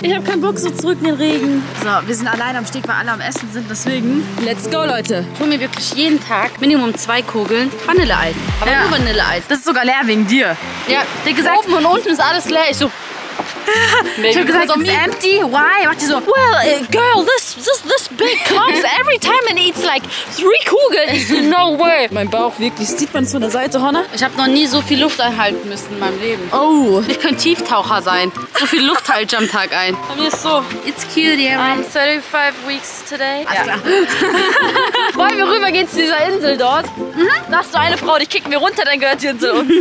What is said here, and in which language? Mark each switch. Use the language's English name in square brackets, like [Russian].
[German] Ich habe keinen Bock so zurück in den Regen. So, wir sind allein am Steg, weil alle am Essen sind, deswegen. [English] Let's go, Leute. [German] Ich hole mir wirklich jeden Tag Minimum 2 Kugeln Vanilleeis. Aber ja, nur Vanilleeis. Das ist sogar leer wegen dir. Ja, der gesagt, oben und unten ist alles leer. Ich so. Ich hab gesagt, [English] it's empty. Why? [German] Macht die so, [English] well, girl, this big comes every time and eats like 3 Kugeln. No way. [German] Mein Bauch wirklich, sieht man es von der Seite, Hanna? Ich habe noch nie so viel Luft einhalten müssen in meinem Leben. Oh. Ich könnte Tieftaucher sein. So viel Luft halte ich am Tag ein. Bei mir ist so, [English] it's cute, yeah. I'm 35 weeks today. [German] Alles klar. Wollen wir rüber gehen zu dieser Insel dort? Mhm. Lass du eine Frau, die kicken wir runter, dann gehört die Insel uns.